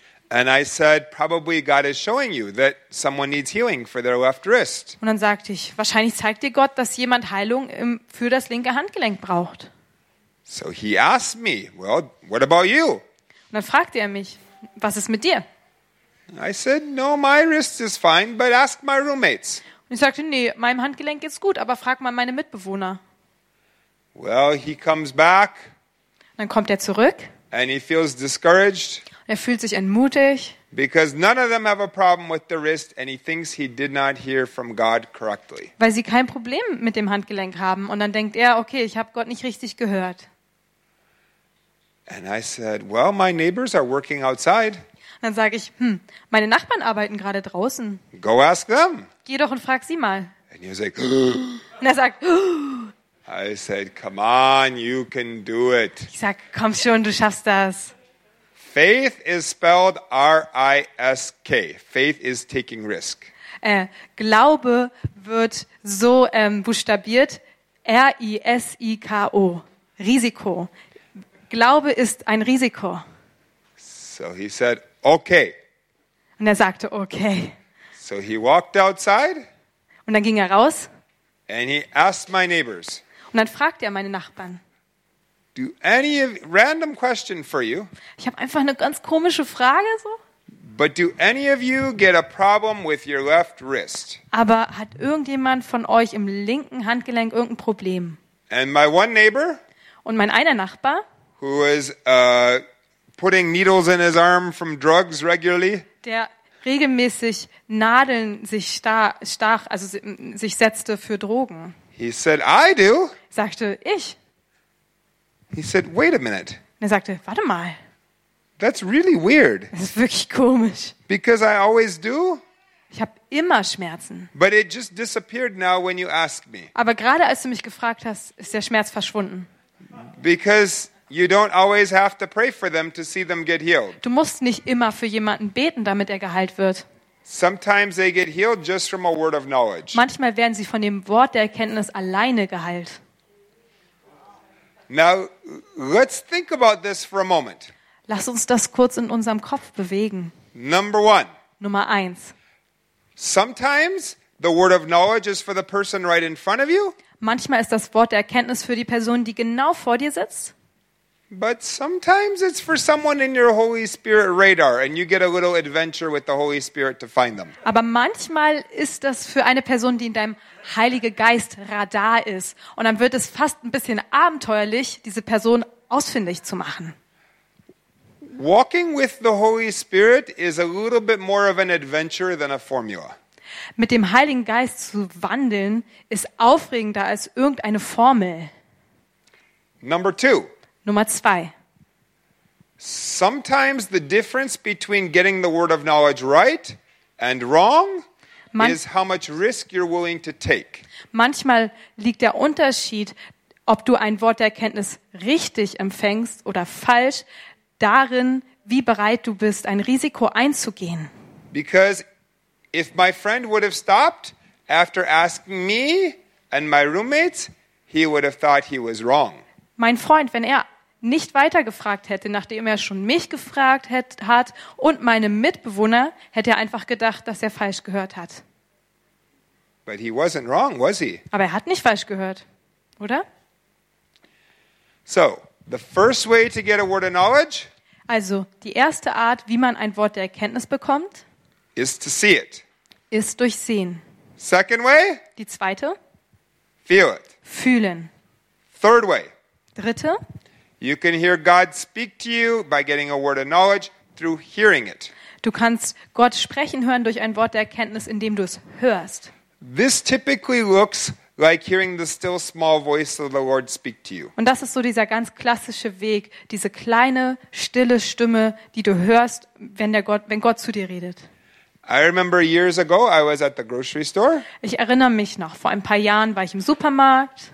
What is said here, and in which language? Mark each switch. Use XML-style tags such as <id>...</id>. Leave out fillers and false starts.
<en>And I said, probably God is showing you that someone needs healing for their left wrist.</en> <de>Und dann sagte ich, wahrscheinlich zeigt dir Gott, dass jemand Heilung für das linke Handgelenk braucht.</de> <en>So he asked me, well, what about you?</en> <de>Und dann fragte er mich, was ist mit dir?</de> <en>I said, no, my wrist is fine, but ask my roommates.</en> <de>Und ich sagte, nee, meinem Handgelenk geht's gut, aber frag mal meine Mitbewohner.</de> <en>Well, he comes back.</en> <de>Und dann kommt er zurück.</de> <en>And he feels discouraged.</en> <de>Er fühlt sich entmutigt.</de> <en>Because none of them have a problem with the wrist, and he thinks he did not hear from God correctly.</en> <de>Weil sie kein Problem mit dem Handgelenk haben, und dann denkt er, okay, ich habe Gott nicht richtig gehört.</de> <en>And I said, well, my neighbors are working outside.</en> <de>Und dann sage ich, meine Nachbarn arbeiten gerade draußen.</de> <en>Go ask them.</en> <de>Geh doch und frag sie mal.</de> <en>And he was like,</en> <de>und er sagt,</de> <en>I said, come on, you can do it.</en> <de>Ich sag, komm schon, du schaffst das.</de> <en>Faith is spelled R-I-S-K. Faith is taking risk.</en> <de>Glaube wird so buchstabiert, R-I-S-I-K-O, Risiko. Glaube ist ein Risiko.</de> <en>So he said, okay.</en> <de>Und er sagte, okay.</de> <en>So he walked outside.</en> <de>Und dann ging er raus.</de> <en>And he asked my neighbors.</en> <de>Und dann fragte er meine Nachbarn.</de> <en>Do any random question for you?</en> <de>Ich habe einfach eine ganz komische Frage so.</de> <en>But do any of you get a problem with your left wrist?</en> <de>Aber hat irgendjemand von euch im linken Handgelenk irgendein Problem?</de> <en>And my one neighbor?</en> <de>Und mein einer Nachbar?</de> <en>Who is putting needles in his arm from drugs regularly?</en> <de>Der regelmäßig Nadeln sich stach, also sich setzte für Drogen.</de> <en>He said, I do.</en> <de>Sagte ich.</de> <en>He said, wait a minute.</en> <de>Und er sagte, warte mal.</de> <en>That's really weird.</en> <de>Das ist wirklich komisch.</de> <en>Because I always do.</en> <de>Ich habe immer Schmerzen.</de> <en>But it just disappeared now when you asked me.</en> <de>Aber gerade als du mich gefragt hast, ist der Schmerz verschwunden.</de> <en>Because you don't always have to pray for them to see them get healed.</en> <de>Du musst nicht immer für jemanden beten, damit er geheilt wird.</de> <en>Sometimes they get healed just from a word of knowledge.</en> <de>Manchmal werden sie von dem Wort der Erkenntnis alleine geheilt.</de> <en>Now, let's think about this for a moment.</en> <de>Lass uns das kurz in unserem Kopf bewegen.</de> <en>Number one.</en> <de>Nummer eins.</de> <en>Sometimes the word of knowledge is for the person right in front of you.</en> <de>Manchmal ist das Wort der Erkenntnis für die Person, die genau vor dir sitzt.</de> <en>But sometimes it's for someone in your Holy Spirit radar and you get a little adventure with the Holy Spirit to find them.</en> <de>Aber manchmal ist das für eine Person, die in deinem Heilige Geist Radar ist, und dann wird es fast ein bisschen abenteuerlich, diese Person ausfindig zu machen.</de> <en>Walking with the Holy Spirit is a little bit more of an adventure than a formula.</en> <de>Mit dem Heiligen Geist zu wandeln ist aufregender als irgendeine Formel.</de> <en>Number two.</en> <de>Nummer zwei.</de> <en>Sometimes the difference between getting the word of knowledge right and wrong is how much risk you're willing to take.</en> <de>Manchmal liegt der Unterschied, ob du ein Wort der Erkenntnis richtig empfängst oder falsch, darin, wie bereit du bist, ein Risiko einzugehen.</de> <en>Because if my friend would have stopped after asking me and my roommates, he would have thought he was wrong.</en> <de>Mein Freund, wenn er nicht weiter gefragt hätte, nachdem er schon mich gefragt hat und meine Mitbewohner, hätte er einfach gedacht, dass er falsch gehört hat.</de> <en>But he wasn't wrong, was he?</en> <de>Aber er hat nicht falsch gehört, oder?</de> <en>So, the first way to get a word of knowledge,</en> <de>also, die erste Art, wie man ein Wort der Erkenntnis bekommt,</de> <en>is to see it.</en> <de>Ist durch Sehen.</de> <en>Second way,</en> <de>die zweite,</de> <en>feel it.</en> <de>Fühlen.</de> <en>Third way,</en> <de>dritte,</de> <en>you can hear God speak to you by getting a word of knowledge through hearing it.</en> <de>Du kannst Gott sprechen hören durch ein Wort der Erkenntnis, indem du es hörst.</de> <en>This typically looks like hearing the still small voice of the Lord speak to you.</en> <de>Und das ist so dieser ganz klassische Weg, diese kleine stille Stimme, die du hörst, wenn Gott zu dir redet.</de> <en>I remember years ago I was at the grocery store.</en> <de>Ich erinnere mich noch, vor ein paar Jahren war ich im Supermarkt.</de>